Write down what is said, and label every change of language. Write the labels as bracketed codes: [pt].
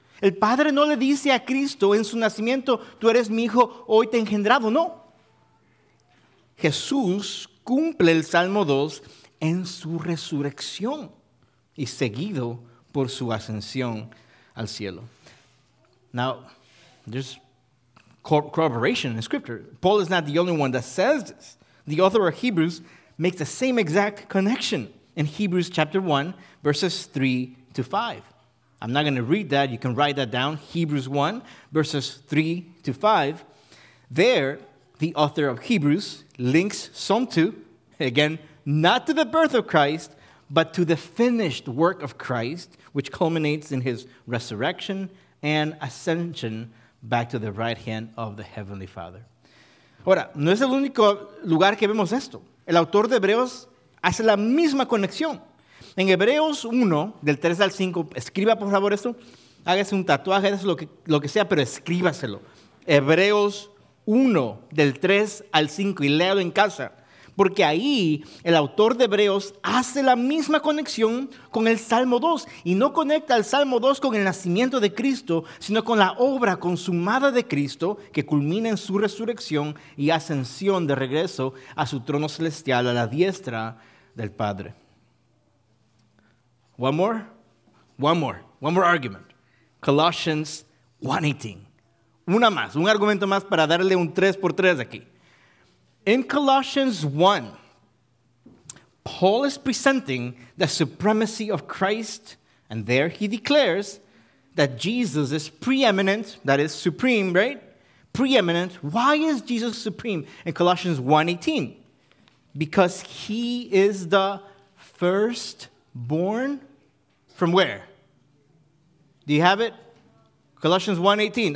[es] El Padre no le dice a Cristo en su nacimiento, tú eres mi hijo, hoy te he engendrado. No. Jesús cumple el Salmo 2 en su resurrección y seguido por su ascensión al cielo. [en] Now, there's corroboration in Scripture. Paul is not the only one that says this. The author of Hebrews makes the same exact connection in Hebrews chapter 1, verses 3 to 5. I'm not going to read that. You can write that down. Hebrews 1, verses 3 to 5. There, the author of Hebrews links Psalm 2, again, not to the birth of Christ, but to the finished work of Christ, which culminates in his resurrection and ascension back to the right hand of the Heavenly Father. [es] Ahora, no es el único lugar que vemos esto. El autor de Hebreos hace la misma conexión. En Hebreos 1, del 3 al 5, escriba por favor esto. Hágase un tatuaje, hágase lo que sea, pero escríbaselo. Hebreos 1, del 3 al 5, y léalo en casa. Porque ahí el autor de Hebreos hace la misma conexión con el Salmo 2. Y no conecta el Salmo 2 con el nacimiento de Cristo, sino con la obra consumada de Cristo que culmina en su resurrección y ascensión de regreso a su trono celestial a la diestra del Padre. [en] One more argument. Colossians 1:18. [es] Una más, un argumento más para darle un 3x3 aquí. [en] In Colossians 1, Paul is presenting the supremacy of Christ, and there he declares that Jesus is preeminent, that is supreme, right? Preeminent. Why is Jesus supreme? In Colossians 1:18, because he is the firstborn from where? Do you have it? Colossians 1:18.